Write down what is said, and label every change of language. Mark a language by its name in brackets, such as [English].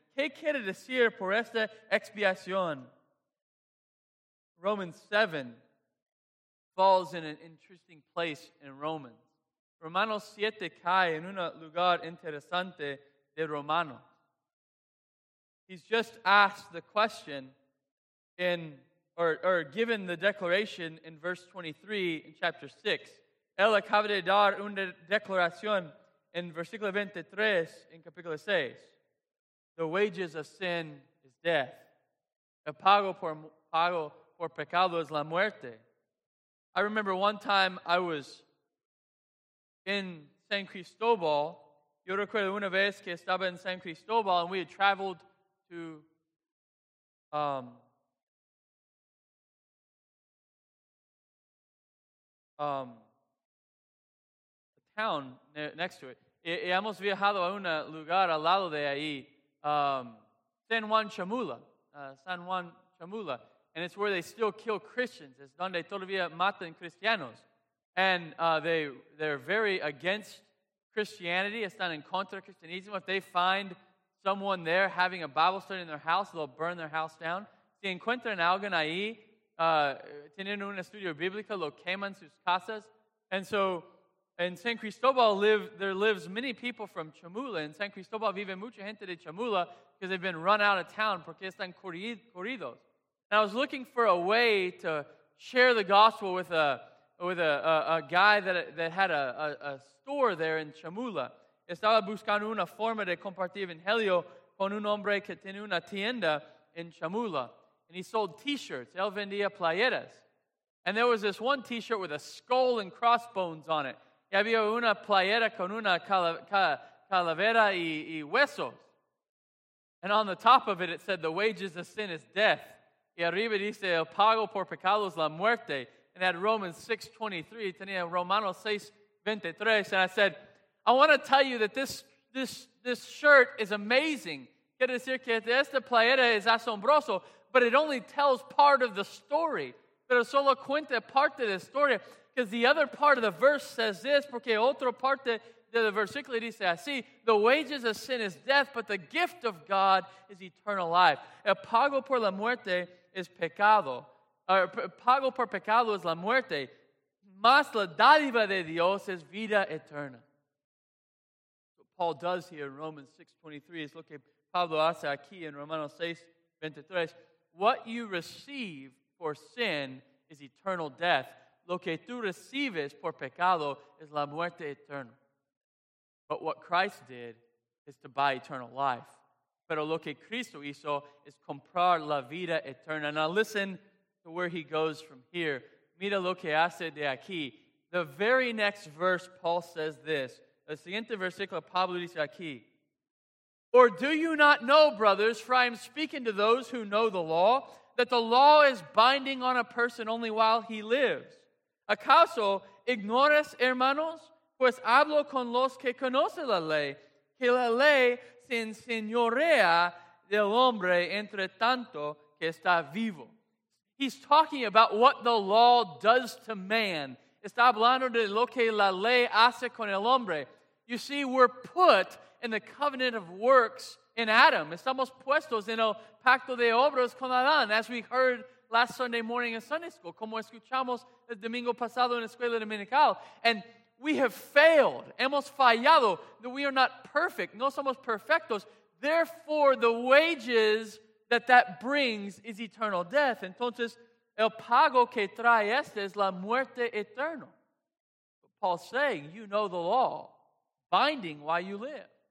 [Spanish] ¿Qué quiere decir por esta expiación? [English] Romans 7 falls in an interesting place in Romans. [Spanish] Romanos 7 cae en un lugar interesante de Romanos. [English] He's just asked the question in, or given the declaration in verse 23 in chapter 6. [Spanish] Él acaba de dar una declaración en versículo 23 en capítulo 6. [English] The wages of sin is death. [Spanish] El pago por pecado es la muerte. [English] I remember one time I was in San Cristobal. [Spanish] Yo recuerdo una vez que estaba en San Cristobal [English] and we had traveled to a town next to it. [Spanish] Y hemos viajado a un lugar al lado de ahí, San Juan Chamula. [English] And it's where they still kill Christians. It's [Spanish] donde todavía matan cristianos. [English] And they're very against Christianity. [Spanish] Están en contra cristianismo. [English] If they find someone there having a Bible study in their house, they'll burn their house down. [Spanish] Si encuentran alguien ahí teniendo un estudio bíblico, lo queman sus casas. [English] And so in San Cristobal, there lives many people from Chamula. [Spanish] In San Cristobal vive mucha gente de Chamula [English] because they've been run out of town [Spanish] porque están corridos. [English] And I was looking for a way to share the gospel with a guy that had a store there in Chamula. [Spanish] Estaba buscando una forma de compartir evangelio con un hombre que tenía una tienda en Chamula. [English] And he sold t-shirts. [Spanish] Él vendía playeras. [English] And there was this one t-shirt with a skull and crossbones on it. [Spanish] Y había una playera con una calavera y huesos. [English] And on the top of it, it said, "The wages of sin is death." [Spanish] Y arriba dice, el pago por pecados la muerte. [English] And at Romans 6:23, [Spanish] tenía Romanos 6:23, [English] and I said, I want to tell you that this shirt is amazing. [Spanish] Quiere decir que esta playera es asombroso, [English] but it only tells part of the story. [Spanish] Pero solo cuenta parte de la historia, [English] because the other part of the verse says this, [Spanish] porque otra parte de la versículo dice así, [English] the wages of sin is death, but the gift of God is eternal life. [Spanish] El pago por la muerte es pecado. Pago por pecado es la muerte. Mas la dádiva de Dios es vida eterna. [English] What Paul does here in Romans 6:23 is [Spanish] lo que Pablo hace aquí en Romanos 6:23. [English] What you receive for sin is eternal death. [Spanish] Lo que tú recibes por pecado es la muerte eterna. [English] But what Christ did is to buy eternal life. [Spanish] Pero lo que Cristo hizo es comprar la vida eterna. [English] Now listen to where he goes from here. [Spanish] Mira lo que hace de aquí. [English] The very next verse, Paul says this. [Spanish] El siguiente versículo, Pablo dice aquí. [English] Or do you not know, brothers, for I am speaking to those who know the law, that the law is binding on a person only while he lives? [Spanish] ¿Acaso ignoras, hermanos? Pues hablo con los que conocen la ley, que la ley sin señorea del hombre entre tanto que está vivo. [English] He's talking about what the law does to man. [Spanish] Está hablando de lo que la ley hace con el hombre. [English] You see, we're put in the covenant of works in Adam. [Spanish] Estamos puestos en el pacto de obras con Adán, [English] as we heard last Sunday morning in Sunday school, [Spanish] como escuchamos el domingo pasado en la escuela dominical. [English] And we have failed. [Spanish] Hemos fallado. [English] We are not perfect. [Spanish] No somos perfectos. [English] Therefore, the wages that brings is eternal death. [Spanish] Entonces, el pago que trae este es la muerte eterna. [English] But Paul's saying, you know the law, binding while you live.